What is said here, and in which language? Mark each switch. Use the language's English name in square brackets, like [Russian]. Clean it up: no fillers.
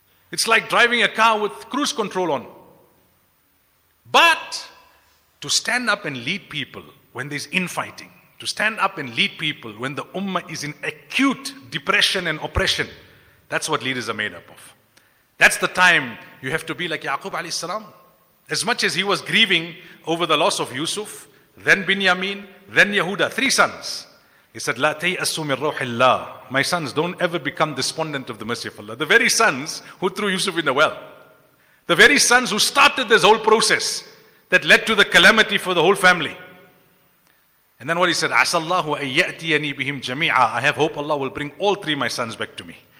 [English] It's like driving a car with cruise control on. But to stand up and lead people when there's infighting, to stand up and lead people when the ummah is in acute depression and oppression, that's what leaders are made up of. That's the time you have to be like Yaqub alayhi salam. As much as he was grieving over the loss of Yusuf, then Binyamin, then Yehuda, three sons. He said, [Arabic] لَا تَيْأَسُوا مِنْ رُوحِ اللَّهِ. [English] My sons, don't ever become despondent of the mercy of Allah. The very sons who threw Yusuf in the well. The very sons who started this whole process that led to the calamity for the whole family. And then what he said, [Arabic] عَسَى اللَّهُ أَن يَأْتِيَنِي بِهِمْ جَمِيعًا. [English] I have hope Allah will bring all three my sons back to me.